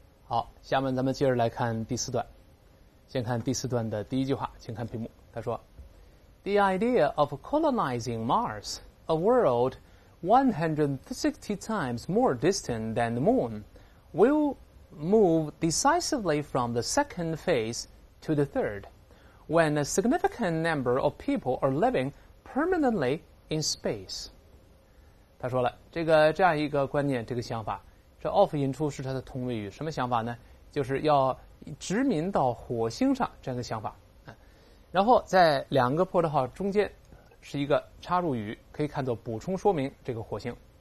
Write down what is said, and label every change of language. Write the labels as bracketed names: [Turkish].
[Chinese] 好，下面咱们接着来看第四段。先看第四段的第一句话，请看屏幕。他说 [English] ：“The idea of colonizing Mars, a world 160 times more distant than the Moon, will move decisively from the second phase to the third, when a significant number of people are living permanently in space.” [Chinese] 他说了这样一个观念，这个想法。这 of 引出是他的同位语，什么想法呢？就是要殖民到火星上这样的想法。然后在两个波的号中间是一个插入语，可以看作补充说明这个火星。